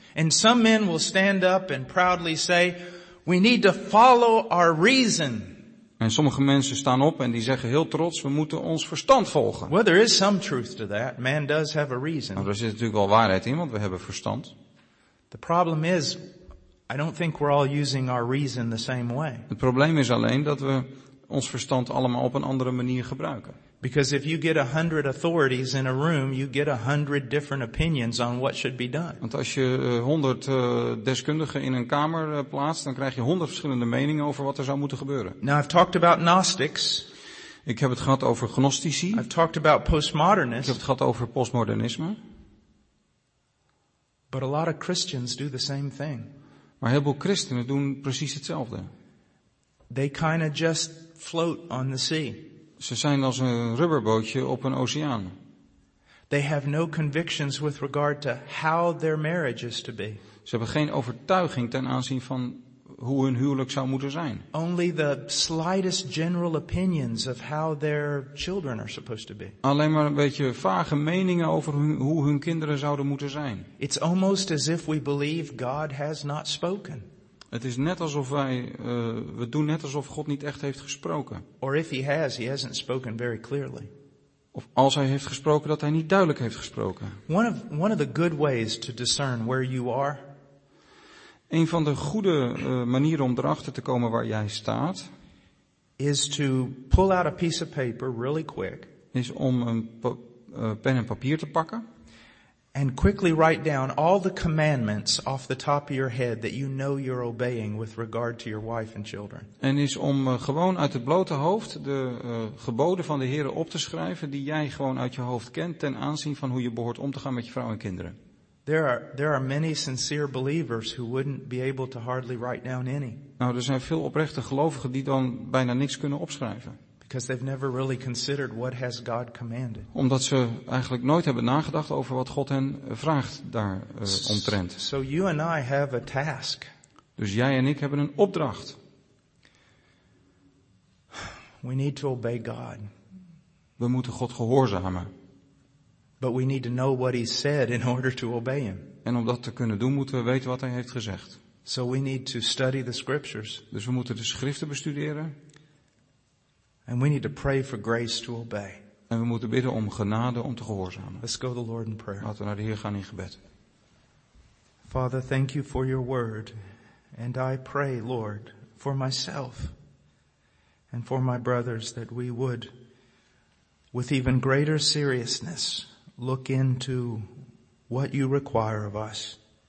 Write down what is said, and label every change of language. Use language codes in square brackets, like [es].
[en] And some men will stand up and proudly say, We need to follow our reason. [nl] En sommige mensen staan op en die zeggen heel trots, we moeten ons verstand volgen. [en] Well, there is some truth to that. Man does have a reason. [nl] Maar er zit natuurlijk wel waarheid in, want we hebben verstand. [en] The problem is, I don't think we're all using our reason the same way. [nl] Het probleem is alleen dat we ons verstand allemaal op een andere manier gebruiken. [en] Because if you get 100 authorities in a room, you get 100 different opinions on what should be done. [nl] Want als je 100 deskundigen in een kamer plaatst, dan krijg je 100 verschillende meningen over wat er zou moeten gebeuren. [en] Now I've talked about Gnostics. [nl] Ik heb het gehad over gnostici. [en] I've talked about postmodernists. [nl] Ik heb het gehad over postmodernisme. [en] But a lot of Christians do the same thing. [nl] Maar heel veel christenen doen precies hetzelfde. [en] They kind of just float on the sea. [nl] Ze zijn als een rubberbootje op een oceaan. [en] They have no convictions with regard to how their marriage is to be. [nl] Ze hebben geen overtuiging ten aanzien van hoe hun huwelijk zou moeten zijn. [en] Only the slightest general opinions of how their children are supposed to be. [nl] Alleen maar een beetje vage meningen over hoe hun kinderen zouden moeten zijn. [en] It's almost as if we believe God has not spoken. [nl] Het is net alsof we doen net alsof God niet echt heeft gesproken. [en] Or if he has, he hasn't spoken very clearly. [nl] Of als hij heeft gesproken, dat hij niet duidelijk heeft gesproken. [en] One of the good ways to discern where you are. [nl] Een van de goede manieren om erachter te komen waar jij staat, [en] is to pull out a piece of paper really quick. [nl] Is om een pen en papier te pakken. [en] And quickly write down all the commandments off the top of your head that you know you're obeying with regard to your wife and children. [nl] En is om gewoon uit het blote hoofd de geboden van de Heere op te schrijven die jij gewoon uit je hoofd kent ten aanzien van hoe je behoort om te gaan met je vrouw en kinderen. [en] There are many sincere believers who wouldn't be able to hardly write down any. [nl] Nou, er zijn veel oprechte gelovigen die dan bijna niks kunnen opschrijven. [en] Because they've never really considered what has God commanded. [nl] Omdat ze eigenlijk nooit hebben nagedacht over wat God hen vraagt daar omtrent. [en] So you and I have a task. [nl] Dus jij en ik hebben een opdracht. [en] We need to obey God. [nl] We moeten God gehoorzamen. [en] But we need to know what he said in order to obey him. [nl] En om dat te kunnen doen moeten we weten wat hij heeft gezegd. [en] So we need to study the scriptures. [nl] Dus we moeten de schriften bestuderen. [en] And we need to pray for grace to obey. [nl] En we moeten bidden om genade om te gehoorzamen. [en] Let's go to the Lord in prayer. [nl] Laten we naar de Heer gaan in gebed. [en] Father, thank you for your word. And I pray, Lord, for myself and for my brothers that we would, with even greater seriousness, look into what you require of us.